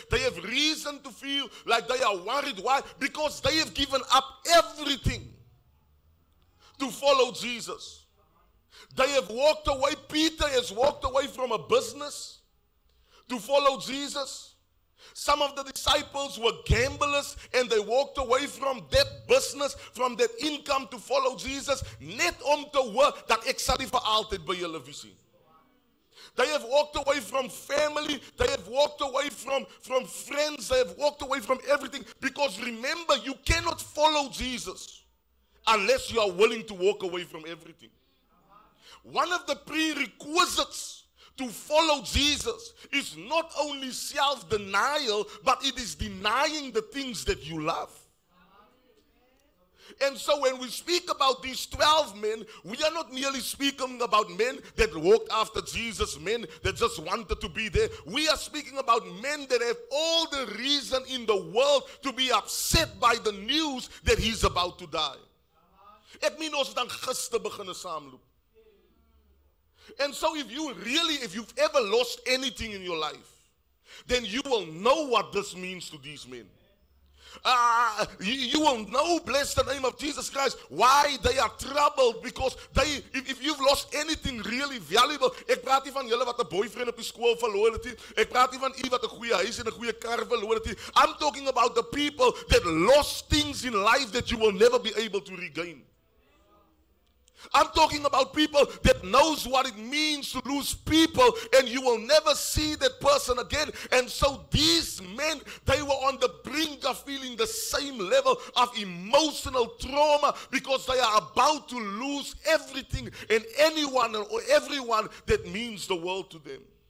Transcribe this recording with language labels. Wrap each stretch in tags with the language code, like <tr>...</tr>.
<en>They have reason to feel like they are worried. Why? Because they have given up everything to follow Jesus. They have walked away. Peter has walked away from a business to follow Jesus. Some of the disciples were gamblers and they walked away from that business, from that income to follow Jesus.</en> <af>Net om te hoor dat ek sal nie vir altyd by julle wees nie.</af> <en>They have walked away from family. They have walked away from friends. They have walked away from everything. Because remember, you cannot follow Jesus unless you are willing to walk away from everything. One of the prerequisites to follow Jesus is not only self-denial, but it is denying the things that you love. And so when we speak about these 12 men, we are not merely speaking about men that walked after Jesus, men that just wanted to be there. We are speaking about men that have all the reason in the world to be upset by the news that he's about to die.</en> <af>Ek meen ons het dan gister beginne saamloop.</af> <en>And so if you've ever lost anything in your life, then you will know what this means to these men. You will know, bless the name of Jesus Christ, why they are troubled. Because they, if you've lost anything really valuable,</en> <af>ek praat nie van julle wat 'n boyfriend op die skool verloor het nie. Ek praat nie van u wat 'n goeie huis en 'n goeie kar verloor het nie.</af> <en>I'm talking about the people that lost things in life that you will never be able to regain. I'm talking about people that knows what it means to lose people and you will never see that person again. And so these men, they were on the brink of feeling the same level of emotional trauma because they are about to lose everything and anyone or everyone that means the world to them.</en>